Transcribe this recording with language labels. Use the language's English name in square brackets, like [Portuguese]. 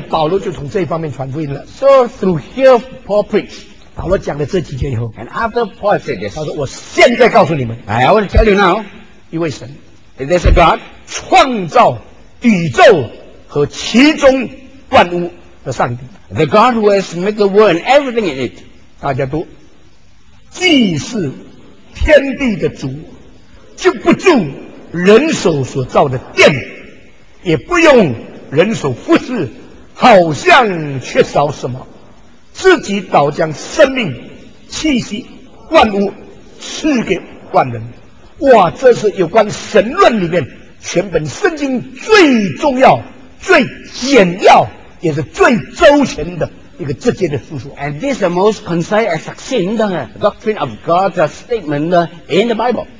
[Chinese] 所以保罗就从这一方面传福音了。 [English] So through here, Paul preached. [Chinese] 保罗讲了这几句以后 [English] ，And after Paul said this, [Chinese] 他说我现在告诉你们 [English] ，I want to tell you now, [Chinese] 一位神 [English] ，Is this a God? [Chinese] 创造宇宙和其中万物的上帝 [English] ，The God who has made the world and everything in it， [Chinese] 大家都既是天地的主，就不住人手所造的殿，也不用人手服侍，好像缺少什么，自己倒将生命气息万物赐给万人。哇，这是有关神论里面。全本圣经最重要、最简要，也是最周全的一个直接的叙述。 [English] And this is the most concise and succinct doctrine of God's statement in the Bible.